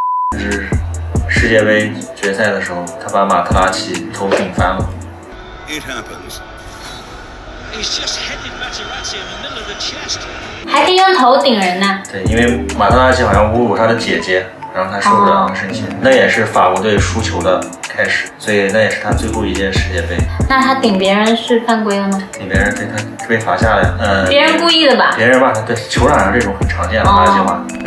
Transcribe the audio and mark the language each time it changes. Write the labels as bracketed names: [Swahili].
[Chinese] 是世界杯决赛的时候，他把马特拉齐头顶翻了。 [English] It happens. He's just hitting Materazzi in the middle of the chest. [Chinese] 还可以用头顶人呢？对，因为马特拉齐好像侮辱他的姐姐，然后他受不了，生气。那也是法国队输球的开始，所以那也是他最后一届世界杯。那他顶别人是犯规了吗？顶别人，对，他是被罚下了。别人故意的吧？别人骂他，对，球场上这种很常见的垃圾话，